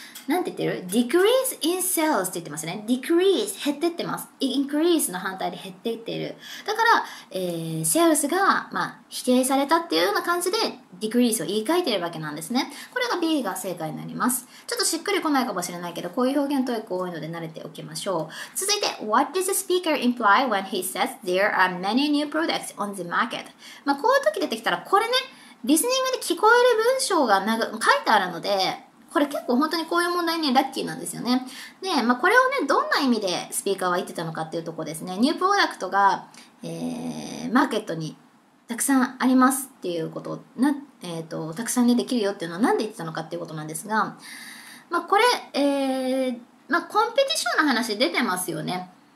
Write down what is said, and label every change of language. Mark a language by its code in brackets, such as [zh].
[ja] なんて言ってる ? [en] decrease in sales [ja] って言ってますね。decrease 減ってってます。 increase の反対で減っていってる。だから、sales が、まあ、否定されたっていうような感じで decrease を言い換えてるわけなんですね。これが B が正解になります。ちょっとしっくり来ないかもしれないけど、こういう表現TOEIC多いので慣れておきましょう。 [en] 続いて、What does the speaker imply when he says there are many new products on the market? [ja] まあ、こういう時出てきたら、これね、リスニングで聞こえる文章が書いてあるので、これ結構本当にこういう問題にラッキーなんですよね。で、まあ、これをね、どんな意味でスピーカーは言ってたのかっていうところですね。ニュープロダクトが、マーケットにたくさんありますっていうことな、たくさんね、できるよっていうのは何で言ってたのかっていうことなんですが、まあ、これ、まあ、コンペティションの話出てますよね。